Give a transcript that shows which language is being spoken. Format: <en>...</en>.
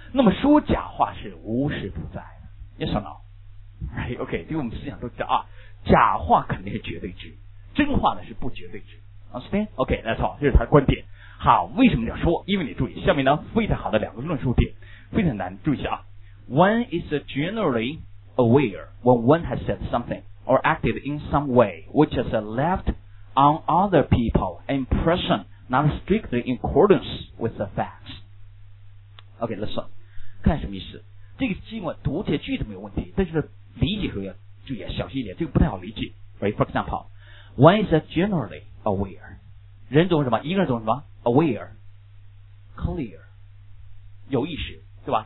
<zh>那么说假话是无时不在的。</zh> <en>Yes or no？ Right, OK，</en> <zh>因为我们思想都知道啊，假话肯定是绝对值，真话呢是不绝对值。</zh> <en>Understand？ OK， that's all，</en> <zh>这是他的观点。好，为什么这样说？因为你注意下面呢非常好的两个论述点，非常难，注意一下啊。</zh> <en>One is generally aware when one has said something or acted in some way which has left on other people an impression not strictly in accordance with the facts. OK， listen，</en> <zh>看什么意思？这个经文读起来句子没有问题，但是理解时候要注意，小心一点，这个不太好理解。</zh> <en>Right? For example, one is generally aware.</en> <zh>人总是什么？一个人总是什么 ？</zh> <en>Aware, clear,</en> <zh>有意识，对吧？</zh>